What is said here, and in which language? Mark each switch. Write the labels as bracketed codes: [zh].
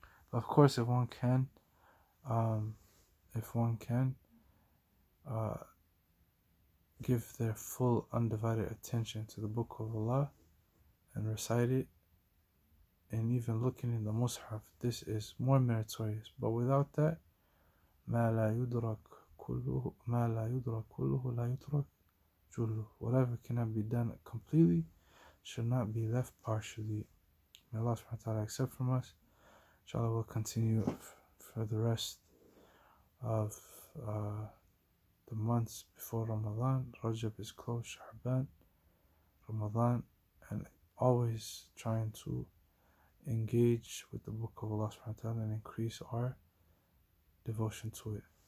[en] But of course, if one can give their full undivided attention to the Book of Allah and recite it, and even looking in the Mus'haf, this is more meritorious. But without that, [ar] ما لا يدرك كله لا يترك جله. [en] Whatever cannot be done completely should not be left partially. May Allah subhanahu wa ta'ala accept from us. Inshallah, we'll continue for the rest of the months before Ramadan. Rajab is close, Sha'ban, Ramadan, and always trying to engage with the Book of Allah subhanahu wa ta'ala and increase our devotion to it.